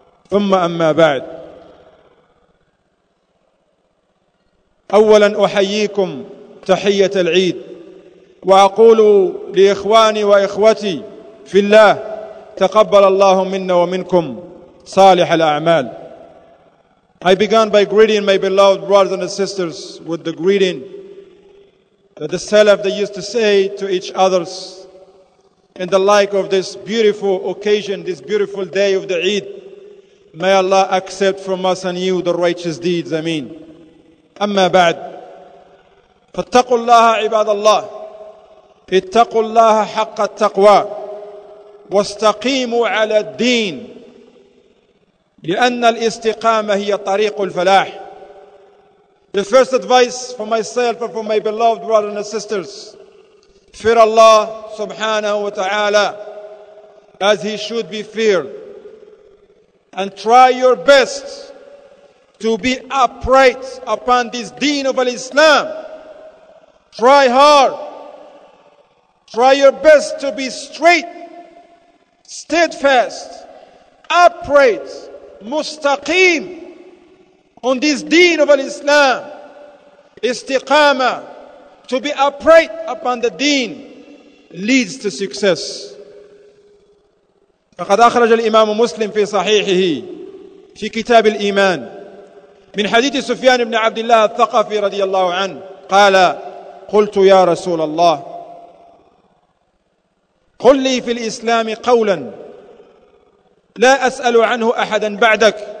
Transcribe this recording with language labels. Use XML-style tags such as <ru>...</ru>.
<ar>ثم أما بعد، أولا أحييكم تحية العيد، وأقول لإخواني وإخوتي في الله، تقبل الله منا ومنكم صالح الأعمال.</ar> <en>I began by greeting my beloved brothers and sisters with the greeting that the Salaf they used to say to each other in the like of this beautiful occasion, this beautiful day of the Eid. May Allah accept from us and you the righteous deeds. Ameen.</en> <ar>أما بعد، فاتقوا الله عباد الله، اتقوا الله حق التقوى، واستقيموا على الدين، لأن الاستقامة هي طريق الفلاح.</ar> <en>The first advice for myself and for my beloved brothers and sisters: fear Allah subhanahu wa ta'ala as He should be feared, and try your best to be upright upon this deen of Islam. Try hard, try your best to be straight, steadfast, upright, mustaqim on this deen of Islam. Istiqama, to be upright upon the deen, leads to success.</en> <ar>فقد أخرج الإمام مسلم في صحيحه في كتاب الإيمان من حديث سفيان بن عبد الله الثقفي رضي الله عنه قال: قلت يا رسول الله، قل لي في الإسلام قولا لا أسأل عنه أحدا بعدك.</ar>